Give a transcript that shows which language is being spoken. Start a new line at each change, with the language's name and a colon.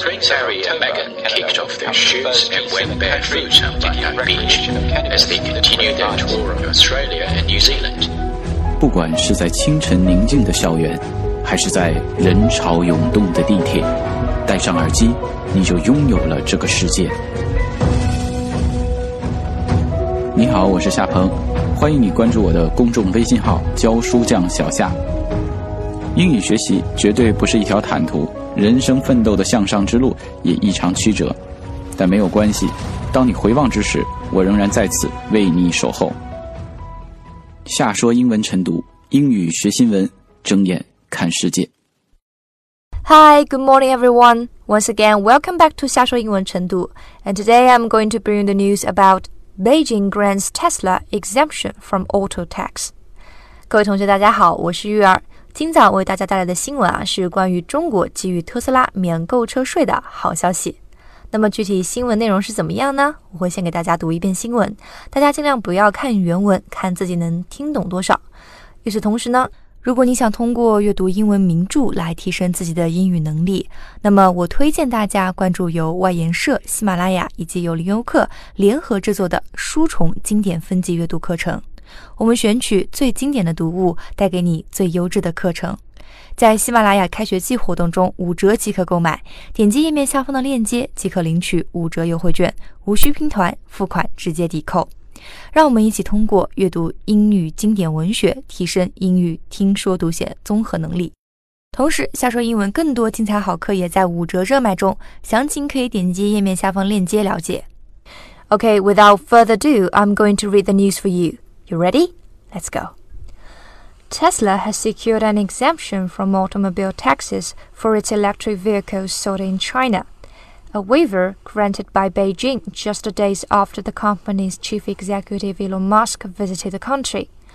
English: Prince Harry and Meghan kicked off their shoots and went barefoot on Bundang Beach as they continued their tour of Australia and New Zealand.
Chinese: 不管是在清晨宁静的校园，还是在人潮涌动的地铁，戴上耳机，你就拥有了这个世界。你好，我是夏鹏，欢迎你关注我的公众微信号教书匠小夏。英语学习绝对不是一条坦途，人生奋斗的向上之路也异常曲折，但没有关系，当你回望之时，我仍然在此为你守候。夏说英文晨读，英语学新闻，睁眼看世界。
English: Hi, good morning everyone. Once again, welcome back to 夏说英文晨读。 And today I'm going to bring the news aboutBeijing grants Tesla exemption from auto tax.
Chinese: 各位同学大家好，我是玉儿。今早为大家带来的新闻啊，是关于中国给予特斯拉免购车税的好消息。那么具体新闻内容是怎么样呢？我会先给大家读一遍新闻，大家尽量不要看原文，看自己能听懂多少。与此同时呢，如果你想通过阅读英文名著来提升自己的英语能力，那么我推荐大家关注由外研社、喜马拉雅以及由林优客联合制作的书虫经典分级阅读课程。我们选取最经典的读物，带给你最优质的课程。在喜马拉雅开学季活动中五折即可购买，点击页面下方的链接即可领取五折优惠券，无需拼团，付款直接抵扣。让我们一起通过阅读英语经典文学，提升英语听说读写综合能力。同时，夏说英文更多精彩好课也在五折热卖中，详情可以点击页面下方链接了解。
English: Okay, without further ado, I'm going to read the news for you. You ready? Let's go. Tesla has secured an exemption from automobile taxes for its electric vehicles sold in China. A waiver granted by Beijing just days after the company's chief executive Elon Musk visited the country.